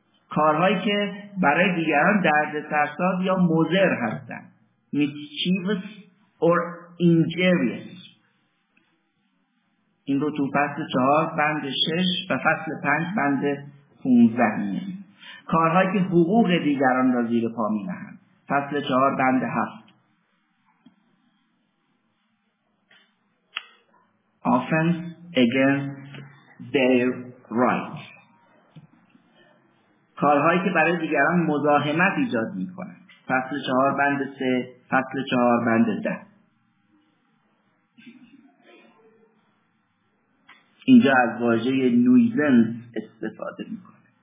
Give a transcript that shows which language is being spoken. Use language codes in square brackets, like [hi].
[fa] کارهایی که برای دیگران دردسرساز یا مضر هستند. [en] Mischievous or injurious. [fa] این رو تو فصل 4 بند 6 و فصل 5 بند 15 میگه. کارهایی که حقوق دیگران را زیر پا می نهند. فصل 4 بند 7 [en] Offense against their rights. [fa] کارهایی که برای دیگران مزاحمت ایجاد می کنند. فصل 4 بند 3 فصل 4 بند 10 اینجا از واژه nuisance استفاده میکنه.